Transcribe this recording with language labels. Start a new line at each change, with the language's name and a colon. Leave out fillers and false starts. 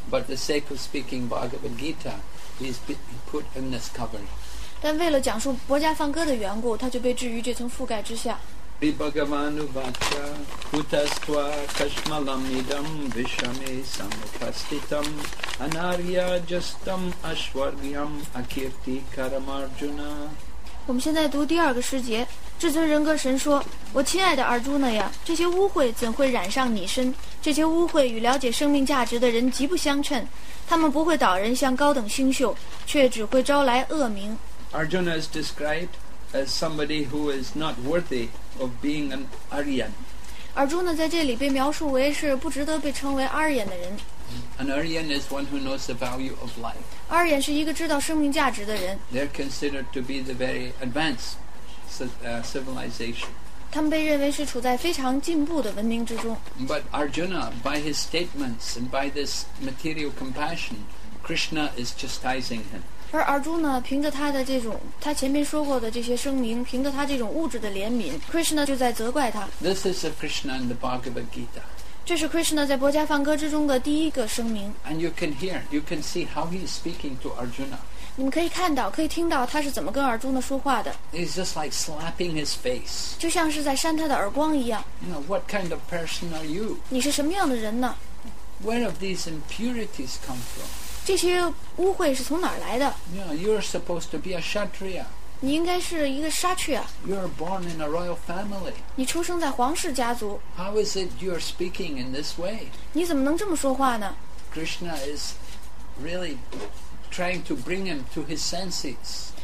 English: But the sake of speaking Bhagavad Gita, he is put in this covering.
Chinese: 但为了讲述薄伽梵歌的缘故，他就被置于这层覆盖之下。
Sanskrit: Sri Bhagavan Uvacha Kutastva Kashmalamidam Vishame Samupastitam Anarya Jastam Ashwaryam Akirti Karamarjuna
Chinese: 我们现在读第二个诗节，至尊人格神说，我亲爱的阿朱那呀，这些污秽怎会染上你身？这些污秽与了解生命价值的人极不相称，他们不会导人向高等星宿，却只会招来恶名。
English: Arjuna is described as somebody who is not worthy of being an Aryan.
Chinese: Arjuna 在这里被描述为是不值得被称为 Aryan 的人。
English: An Aryan is one who knows the value of life.
Chinese: Aryan 是一个知道生命价值的人。
English: They're considered to be the very advanced civilization.
Chinese: 他们被认为是处在非常进步的文明之中。
English: But Arjuna, by his statements and by this material compassion, Krishna is chastising him.
Chinese: 而阿朱呢，凭着他的这种，他前面说过的这些声明，凭着他这种物质的怜悯 ，Krishna 就在责怪他。
English: This is the Krishna in the Bhagavad Gita.
Chinese: 这是 Krishna 在波迦梵歌之中的第一个声明。
English: And you can hear, you can see how he is speaking to Arjuna.
Chinese: 你们可以看到，可以听到他是怎么跟尔朱那说话的。
English: He's just like slapping his face.
Chinese: 就像是在扇他的耳光一样。
English: You know, what kind of person are you?
Chinese: 你是什么样的人呢？
English: Where have these impurities come from?
Chinese: 这些污秽是从哪儿来的？
English: You know, you're supposed to be a Kshatriya.
Chinese: 你应该是一个沙雀啊。
English: You are born in a royal family.
Chinese: 你出生在皇室家族。
English: How is it you are speaking in this way?
Chinese: 你怎么能这么说话呢？
English: Krishna is really trying to bring him to his senses.